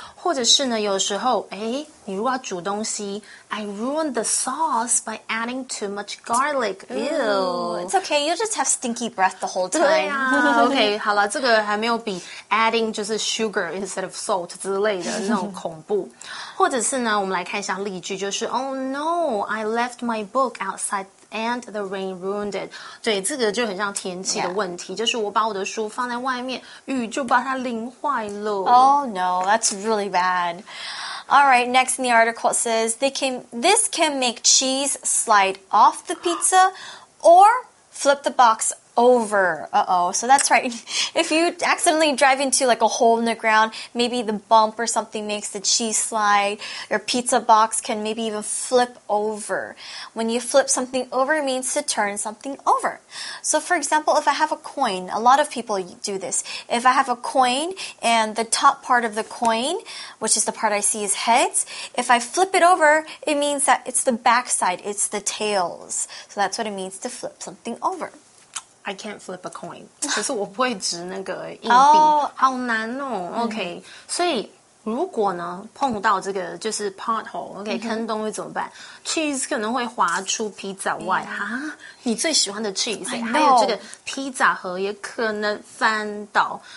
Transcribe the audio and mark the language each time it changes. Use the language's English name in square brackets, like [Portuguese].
[Chinese] 或者是呢，有时候哎，你如果要煮东西 [English] I ruined the sauce by adding too much garlic. Ew. It's okay, you'll just have stinky breath the whole time. [Chinese] 对啊OK, 好了，这个还没有比 adding 就是 [English] sugar instead of salt [Chinese] 之类的那种恐怖。或者是呢，我们来看一下例句，就是 [English] Oh no, I left my book outside and the rain ruined it. [Chinese] 对，这个就很像天气的问题、 [English] yeah. [Chinese] 就是我把我的书放在外面，雨就把它淋坏了。 [English] Oh no, that's really bad. Alright, next in the article says this can make cheese slide off the pizza or flip the box over. Uh-oh. So that's right. If you accidentally drive into like a hole in the ground, maybe the bump or something makes the cheese slide. Your pizza box can maybe even flip over. When you flip something over, it means to turn something over. So for example, if I have a coin, a lot of people do this. If I have a coin and the top part of the coin, which is the part I see is heads, if I flip it over, it means that it's the backside. It's the tails. So that's what it means to flip something over. I can't flip a coin. [Chinese] 可是我不会掷那个硬币、 oh, 好难哦。OK,、mm-hmm. 所以如果呢碰到这个就是 pothole, OK,、mm-hmm. 坑洞会怎么办 ?Cheese 可能会滑出披萨外。哈、yeah. 啊、你最喜欢的 cheese, 还有这个披萨盒也可能翻倒。